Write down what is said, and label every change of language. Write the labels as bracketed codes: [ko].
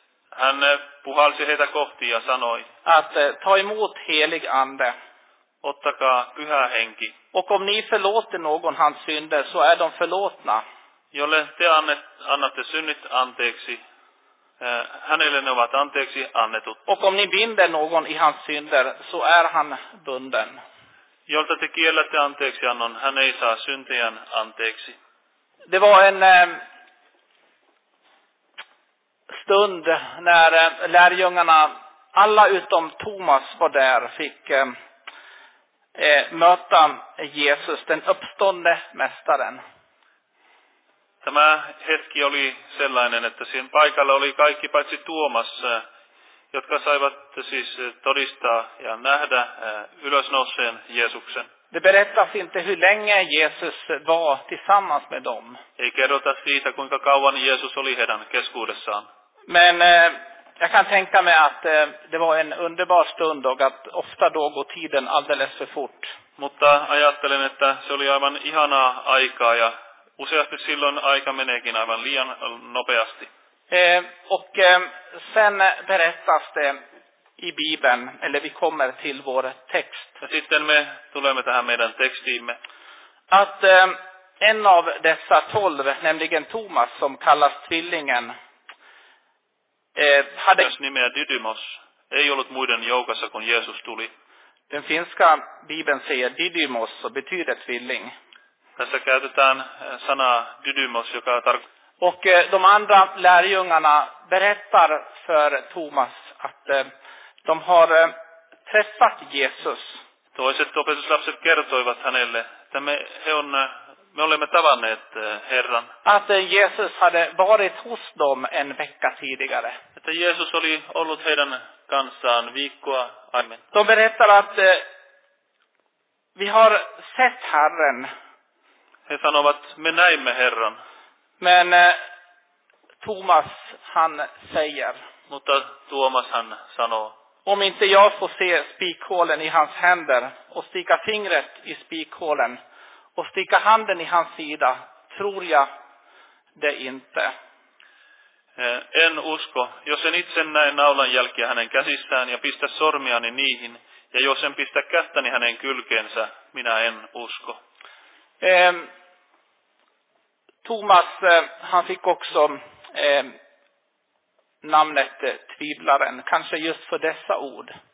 [fi] Hän puhalsi heitä kohti ja sanoi. [sv] Att ta emot helig ande. [fi] Ottakaa pyhä henki. [sv] Och om ni förlåter någon hans synder, så är de förlåtna. [fi] Jolle te annatte synnit anteeksi, hänelle ne ovat anteeksi annetut. [sv] Och om ni binder någon i hans synder, så är han bunden. [fi] Jolta te kiellätte anteeksi annon, hän ei saa syntejän anteeksi. [sv] Det var en stund när lärjungarna, alla utom Thomas var där, fick möta Jesus, den uppstående mästaren. [fi] Tämä hetki oli sellainen, että siinä paikalla oli kaikki paitsi Tuomas, jotka saivat siis todistaa ja nähdä ylösnouseen Jeesuksen. [sv] Det berättas inte hur länge Jesus var tillsammans med dem. [fi] Ei kerrota siitä, kuinka kauan Jeesus oli heidän keskuudessaan. [sv] Men jag kan tänka mig att det var en underbar stund och att ofta då går tiden alldeles för fort. [fi] Mutta ajattelen, että se oli aivan ihanaa aikaa ja useasti silloin aika meneekin aivan liian nopeasti. [sv] Och sen berättas det i Bibeln, eller vi kommer till vår text. [fi] Ja sitten me tulemme tähän meidän tekstiimme. [sv] Att en av dessa 12, nämligen Thomas, som kallas tvillingen, hade [fi] myös nimeä Didymos, ei ollut muiden joukossa, kun Jeesus tuli. [sv] Den finska Bibeln säger Didymos, och betyder tvilling. [fi] Tässä käytetään sanaa Didymos, joka tarkoittaa. [sv] Och de andra lärjungarna berättar för Thomas att de har träffat Jesus. [fi] Toiset opetuslapset kertoivat hänelle, että me olemme tavanneet Herran. [sv] Att Jesus hade varit hos dem en vecka tidigare. [fi] Että Jeesus oli ollut heidän kanssaan viikkoa aiemmin. [sv] De berättar att vi har sett Herren. [fi] He sanovat, me näimme Herran. [sv] Men Thomas, han säger. [fi] Mutta Tuomas han sanoo. [sv] Om inte jag får se spikhålen i hans händer och sticka fingret i spikhålen och sticka handen i hans sida, tror jag det inte. [fi] En usko. Jos en itse näe naulan jälkiä hänen käsissään ja pistä sormiani niihin, ja jos en pistä kättäni hänen kylkeensä, minä en usko. [sv] Thomas, han fick också namnet tvivlaren, kanske just för dessa ord.